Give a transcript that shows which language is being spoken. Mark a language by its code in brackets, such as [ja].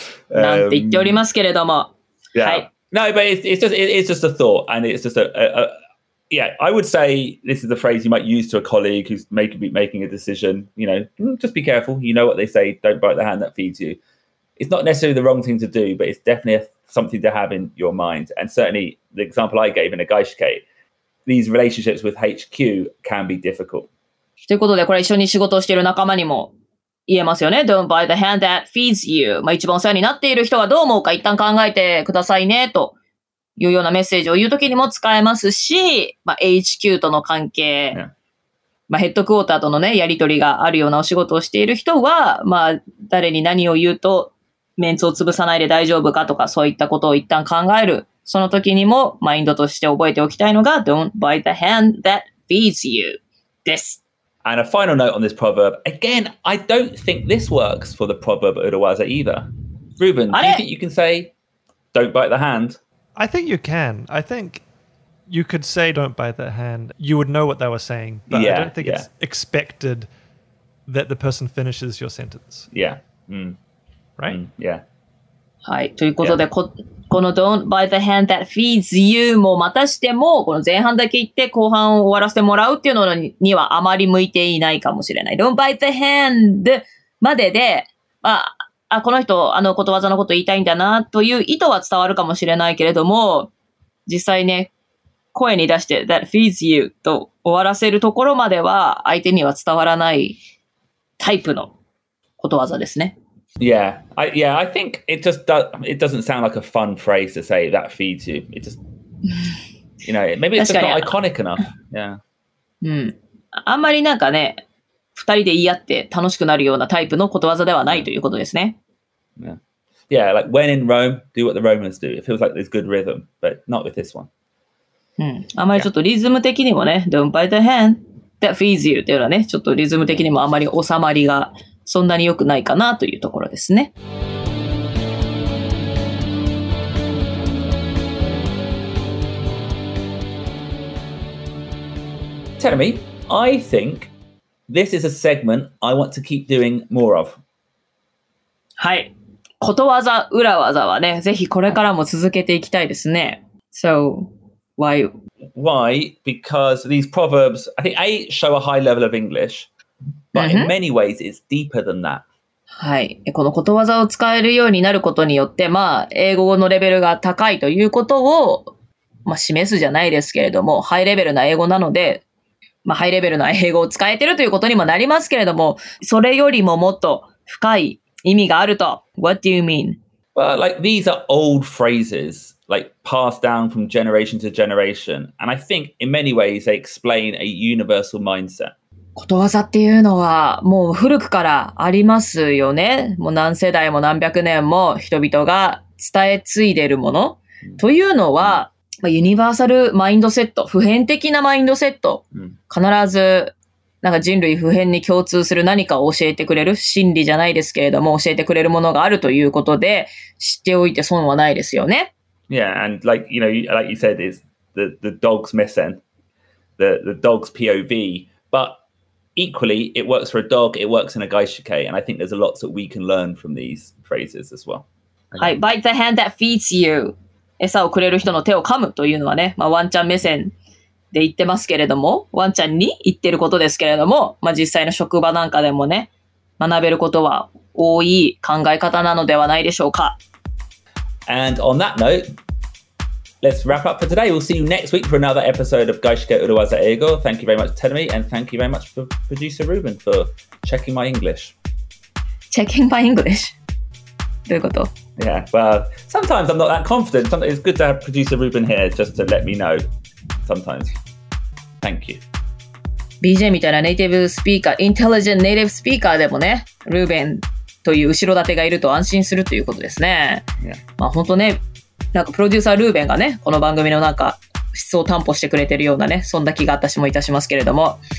[ja] なんて言っておりますけれども。 [en] Yeah. [ja] はい。 [en] No, but it's just a thought, and it's just I would say this is a phrase you might use to a colleague who's making a decision. You know, just be careful. You know what they say: don't bite the hand that feeds you. It's not necessarily the wrong thing to do, but it's definitely something to have in your mind. And certainly the example I gave in a gaishike, these relationships with HQ can be difficult. [ja] ということで、これ一緒に仕事をしている仲間にも言えますよね。 [en] Don't bite the hand that feeds you. [ja] まあ一番お世話になっている人がどう思うか一旦考えてくださいねというようなメッセージを言うときにも使えますし、まあ、HQ との関係、 [en] yeah. [ja] まあヘッドクォーターとのね、やりとりがあるようなお仕事をしている人は、まあ誰に何を言うと、メンツを潰さないで大丈夫かとかそういったことを一旦考える。その時にもマインドとして覚えておきたいのが [en] Don't bite the hand that feeds you [ja] です。 [en] And a final note on this proverb. Again, I don't think this works for the proverb Uruwaza either. Ruben, do you think you can say Don't bite the hand? I think you can. I think you could say Don't bite the hand. You would know what they were saying. But yeah, I don't think yeah. it's expected that the person finishes your sentence. Yeah. Mm. Right? Yeah. [ja] はい。ということで、yeah. この [en] Don't bite the hand that feeds you [ja] もまたしても、この前半だけ言って後半を終わらせてもらうっていうのにはあまり向いていないかもしれない。 [en] Don't bite the hand [ja] までで、まあ、あ、この人、あのことわざのこと言いたいんだなという意図は伝わるかもしれないけれども、実際ね、声に出して [en] That feeds you [ja] と終わらせるところまでは相手には伝わらないタイプのことわざですね。 [en] Yeah, I think it just does, it doesn't sound like a fun phrase to say that feeds you. It just, you know, maybe it's just not iconic enough. Yeah. [ja] うん。あんまりなんかね、二人で言い合って楽しくなるようなタイプのことわざではないということですね。 [en] Yeah. Yeah, like when in Rome, do what the Romans do. It feels like there's good rhythm, but not with this one. [ja] うん。あんまりちょっとリズム的にもね、yeah. [en] Don't bite the hand that feeds you [ja] っていうのはね、ちょっとリズム的にもあんまり収まりが。そんなに良くないかなというところですね。 [en] Tell me, I think this is a segment I want to keep doing more of. [ja] はい。ことわざ、裏わざはね、ぜひこれからも続けていきたいですね。 [en] So, why? Because these proverbs, I think, A, show a high level of English. But in many ways, it's deeper than that. [ja] はい。このことわざを使えるようになることによって、まあ、英語のレベルが高いということを、まあ、示すじゃないですけれども、ハイレベルな英語なので、まあ、ハイレベルな英語を使えてるということにもなりますけれども、それよりももっと深い意味があると。 [en] What do you mean? Well, like, these are old phrases, like, passed down from generation to generation. And I think, in many ways, they explain a universal mindset. [ja] ことわざっていうのはもう古くからありますよね。もう何世代も何百年も人々が伝え継いでるもの、というのは、ユニバーサルマインドセット、普遍的なマインドセット、必ずなんか人類普遍に共通する何かを教えてくれる、真理じゃないですけれども教えてくれるものがあるということで、知っておいて損はないですよね。 [en] Yeah, and like, you know, like you said, is the dog's missing, the dog's POV, but equally, it works for a dog, it works in a gaishike, and I think there's a lot that we can learn from these phrases as well. はい、bite the hand that feeds you. [ja] 餌をくれる人の手を噛むというのはね、まあ、ワンちゃん目線で言ってますけれども、ワンちゃんに言ってることですけれども、まあ、実際の職場なんかでもね、学べることは多い考え方なのではないでしょうか。 [en] And on that note, let's wrap up for today. We'll see you next week for another episode of Gaishike Uruwaza Eigo. Thank you very much, Tenomi, and thank you very much for producer Ruben for checking my English. Checking my English? [ja] どういうこと? [en] Yeah, well, sometimes I'm not that confident. Sometimes it's good to have producer Ruben here just to let me know. Sometimes. Thank you. [ja] BJ みたいなネイティブスピーカー、インテリジェントネイティブスピーカーでもね、ルーベンという後ろ盾がいると安心するということですね。 [en] Yeah. [ja] まあ本当ね、なんかプロデューサールーベンがね、この番組のなんか質を担保してくれてるようなね、そんな気が私もいたしますけれども。